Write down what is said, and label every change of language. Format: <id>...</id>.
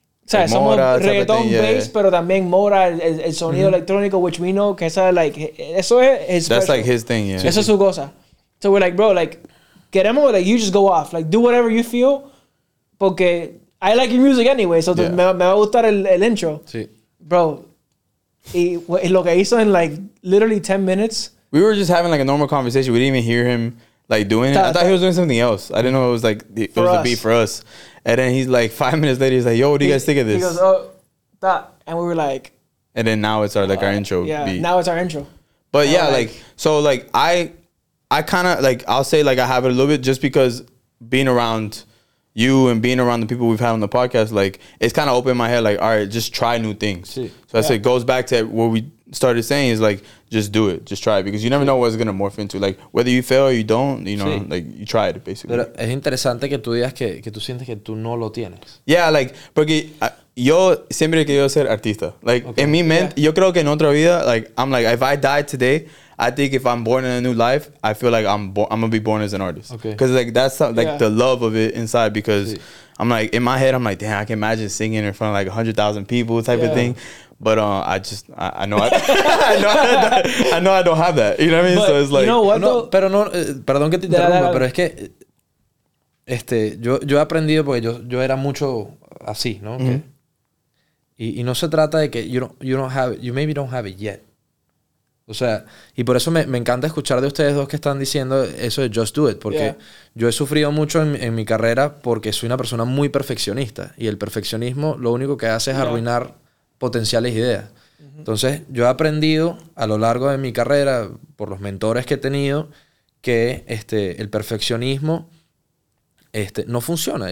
<es>O sea, somos reggaeton bass, pero también Mora, el sonido mm-hmm. electrónico,</es> <en>which we know,</en> <es>que esa, like, eso es</es> <en>his That's special. Like his thing, yeah.</en> <es>Eso es su cosa.</es> <en>So we're like, bro, like, queremos, like, you just go off. Like, do whatever you feel, porque I like your music anyway, so yeah.</en> <es>me va a gustar el intro. Sí. Bro, y lo que hizo en, like,</es> <en>literally 10 minutes. We were just having, like, a normal conversation. We didn't even hear him, like, doing it. I thought he was doing something else. I didn't know it was, like, it was a beat for us. And then he's like, 5 minutes later, he's like, yo, what do you guys think of this? He goes, oh, that. And we were like. And then now it's our, like, our intro. Yeah, beat. Now it's our intro. But now, yeah, like, so, like, I kind of, like, I'll say, like, I have it a little bit just because being around you and being around the people we've had on the podcast, like, it's kind of opened my head, like, all right, just try new things.</en> <es>Sí.</es> <en>So I say it goes back to what we started saying is, like, just do it. Just try it. Because you never know what it's going to morph into. Like, whether you fail or you don't, you know, like, you tried it, basically.</en> <es>Pero es interesante que tú digas que tú sientes que tú no lo tienes.</es> <en>Yeah, like,</en> <es>porque yo siempre he querido ser artista.</es> <en>Like, okay.</en> <es>En mi mente, yo creo que en otra vida,</es> <en>like, I'm like, if I die today, I think if I'm born in a new life, I feel like I'm going to be born as an artist. Okay. Because, like, that's, like, the love of it inside. Because I'm like, in my head, I'm like, damn, I can imagine singing in front of, like, 100,000 people type of thing. But I know I don't have that. You know what I mean? But, so it's like, you know what,</en> <es>no, pero no, perdón que te interrumpa, pero es que yo he aprendido porque yo era mucho así, ¿no? Mm-hmm.</es> <en>Okay.</en> <es>Y no se trata de que</es> <en>you maybe don't have it yet.</en> <es>O sea, y por eso me encanta escuchar de ustedes dos que están diciendo eso de</es> <en>just do it,</en> <es>porque yo he sufrido mucho en mi carrera porque soy una persona muy perfeccionista y el perfeccionismo lo único que hace es arruinar potenciales ideas. Entonces, yo he aprendido a lo largo de mi carrera, por los mentores que he tenido, que el perfeccionismo no funciona.</es>